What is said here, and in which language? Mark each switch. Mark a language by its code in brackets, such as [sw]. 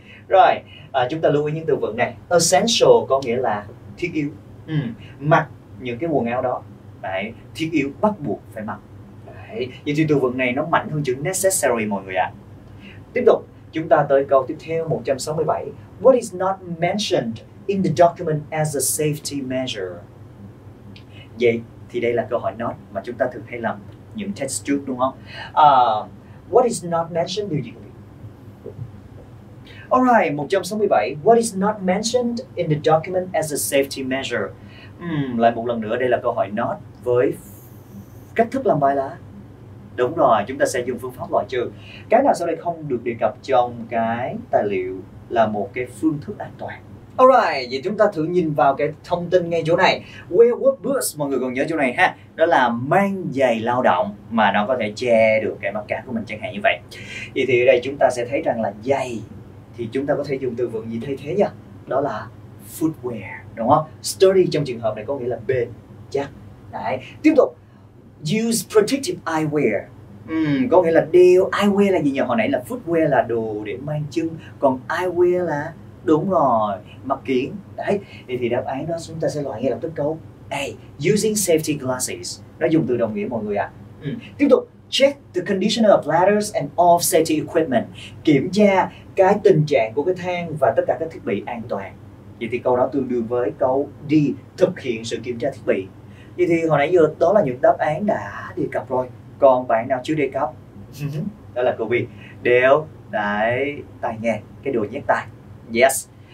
[vi] Rồi, chúng ta lưu ý những từ vựng này. Essential có nghĩa là thiết yếu. Mặc những cái quần áo đó. Đấy, thiết yếu, bắt buộc phải mặc. Đấy, vậy thì từ vựng này nó mạnh hơn chữ necessary mọi người ạ. Tiếp tục, chúng ta tới câu tiếp theo 167. [en] What is not mentioned in the document as a safety measure? [vi] Vậy thì đây là câu hỏi not mà chúng ta thường hay làm những test trước đúng không? [en] What is not mentioned? [vi] Điều gì? [en] Alright, 167. What is not mentioned in the document as a safety measure? [vi] Lại một lần nữa, đây là câu hỏi not với cách thức làm bài là... Đúng rồi, chúng ta sẽ dùng phương pháp loại trừ. Cái nào sau đây không được đề cập trong cái tài liệu là một cái phương thức an toàn? Alright, vậy chúng ta thử nhìn vào cái thông tin ngay chỗ này. [en] Wear work boots, [vi] mọi người còn nhớ chỗ này ha. Đó là mang giày lao động mà nó có thể che được cái mắt cá của mình chẳng hạn như vậy. Vậy thì ở đây chúng ta sẽ thấy rằng là giày, thì chúng ta có thể dùng từ vựng gì thay thế nha? Đó là footwear, đúng không? Sturdy trong trường hợp này có nghĩa là bền, chắc. Đấy. Tiếp tục, [en] use protective eyewear. [vi] Có nghĩa là đeo. Eyewear là gì nhỉ? Hồi nãy là footwear là đồ để mang chân, còn eyewear là, đúng rồi, mặt kiếng. Đấy, thì đáp án đó chúng ta sẽ loại ngay lập tức câu A, [en] using safety glasses. [vi] Nó dùng từ đồng nghĩa mọi người ạ. Tiếp tục, [en] check the condition of ladders and all safety equipment. [vi] Kiểm tra cái tình trạng của cái thang và tất cả các thiết bị an toàn. Vậy thì câu đó tương đương với câu D, thực hiện sự kiểm tra thiết bị. Vậy thì hồi nãy giờ đó là những đáp án đã đề cập rồi. Còn bạn nào chưa đề cập? Đó là câu B, đeo đấy tai nghe, cái đồ nhét tai. Yes.